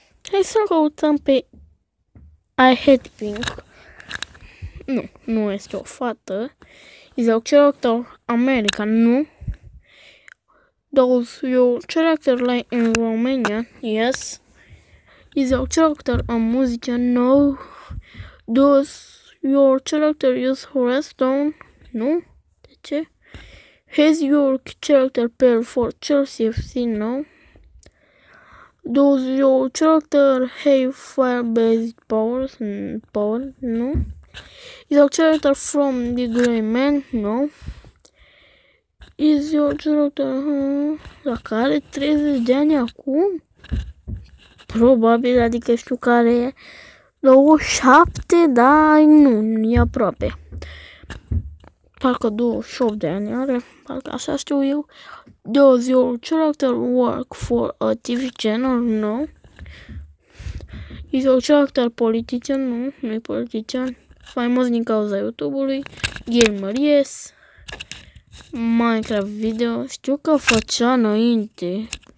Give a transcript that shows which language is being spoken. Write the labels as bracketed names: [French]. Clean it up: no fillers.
[Romanian] Hai să căutăm pe I Hate Pink. Nu este o fată. [English] Is your character American? Nu. Does your character lie in Romania? Yes. Is your character a musician? No. Does your character use redstone? No. [Romanian] De ce? [English] Has your character played for Chelsea FC? No. Does your character have fire-based powers? No. Is your character from the Grey Man? No. Is your character... [Romanian] Dacă are 30 de ani acum? Probabil, adică știu care e. 27, dar nu, e aproape. Parcă 28 de ani are, parcă așa știu eu. [English] Does your character work for a TV channel? No. Is your character politician? [Romanian] No, nu e politician. Faimos din cauza YouTube-ului. Gamer, yes. Minecraft video, știu că făcea înainte.